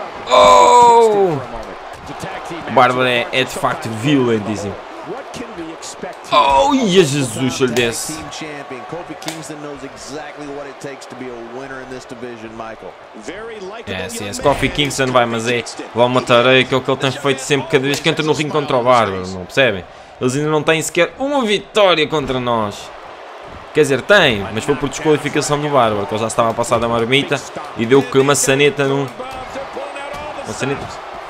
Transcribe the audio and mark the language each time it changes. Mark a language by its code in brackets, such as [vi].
[pt] Oh, o Bárbaro é de facto violentíssimo. [en] What can be [pt] Oh, e Jesus, olha desse. [en] Team champion Kofi Kingston knows exactly what it takes to be a winner in this division, Michael. Very likable. [pt] É, sim, esse Kofi Kingston vai, mas é vou matar aí, que é o que ele tem feito sempre cada vez que entra no ringue contra o Bárbaro, não percebem? Eles ainda não têm sequer uma vitória contra nós. Quer dizer, tem, mas foi por desqualificação do Bárbaro, que ele já estava a passar da marmita e deu que uma saneta no... Uma saneta.